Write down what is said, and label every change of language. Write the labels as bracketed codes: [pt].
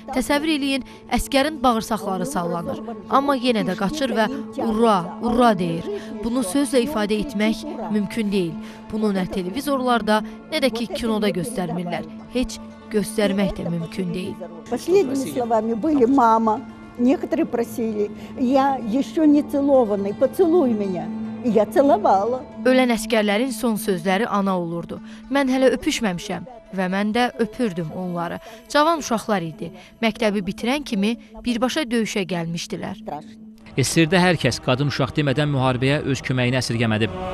[az] Təsəvvür eləyin, əsgərin bağırsaqları sallanır. Amma yenə də qaçır və urra, urra deyir. Bunu sözlə ifadə etmək mümkün deyil. Bunu nə televizorlarda, nə də ki kinoda göstərmirlər. Heç göstərmək də mümkün deyil. [ru] Mama. Некоторые просили: "Я ещё не целованный, поцелуй меня". Я целовала. [az] Ölən əsgərlərin son sözləri ana olurdu. Mən hələ öpüşməmişəm və mən də öpürdüm onları. Cavan uşaqlar idi. Məktəbi bitirən kimi birbaşa döyüşə gəlmişdilər. Əsirdə hər kəs qadın uşaq demədən müharibəyə öz köməyini əsirgəmədi.